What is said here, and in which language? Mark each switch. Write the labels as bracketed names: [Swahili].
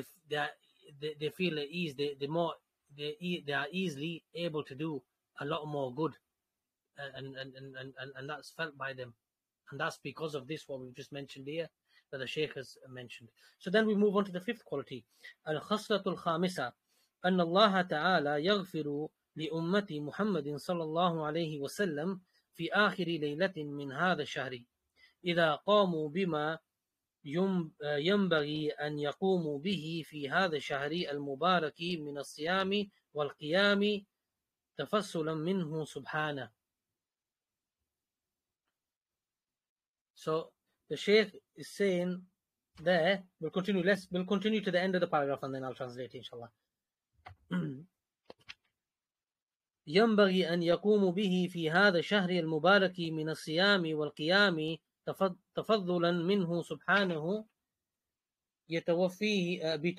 [English] They feel at ease. They are easily able to do a lot more good. And that's felt by them. And that's because of this, what we've just mentioned here, that the Shaykh has mentioned. So then we move on to the fifth quality. [Arabic] Al-Khaslatul Khamisa. أن الله تعالى يغفر لأمة محمد صلى الله عليه وسلم في آخر ليلة من هذا الشهر إذا قاموا بما ينبغي أن يقوموا به في هذا الشهر المبارك من الصيام والقيام تفصلا منه سبحانه. [English] So the Shaykh is saying there, we'll continue to the end of the paragraph and then I'll translate it, inshallah. [Arabic] ينبغي أن يقوم به في هذا الشهر المبارك من الصيام والقيام تفضلا منه سبحانه يتوفيه